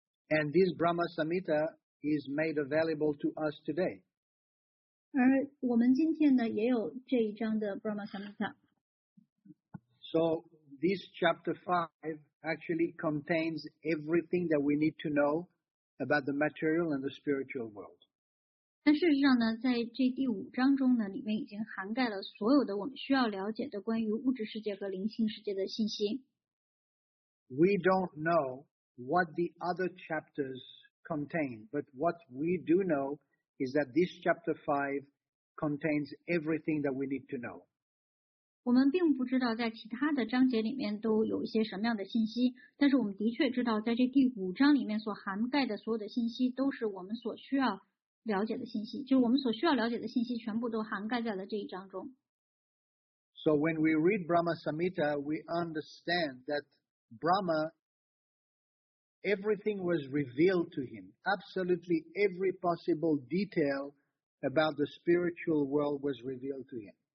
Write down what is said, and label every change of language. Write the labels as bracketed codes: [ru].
[en] And this Brahma Samhita is made available to us today. [zh] 而我们今天呢也有这一章的 Brahma Samhita. [en] So. This chapter 5 actually contains everything that we need to know about the material and the spiritual world. [zh] 但事实上呢，在这第五章中呢，里面已经涵盖了所有的我们需要了解的关于物质世界和灵性世界的信息。 [en] We don't know what the other chapters contain, but what we do know is that this chapter 5 contains everything that we need to know. [zh] 我们并不知道在其他的章节里面都有一些什么样的信息，但是我们的确知道在这第五章里面所涵盖的所有的信息都是我们所需要了解的信息，就是我们所需要了解的信息全部都涵盖在了这一章中。 [en] So when we read Brahma Samhita, we understand that Brahma, everything was revealed to him. Absolutely every possible detail about the spiritual world was revealed to him.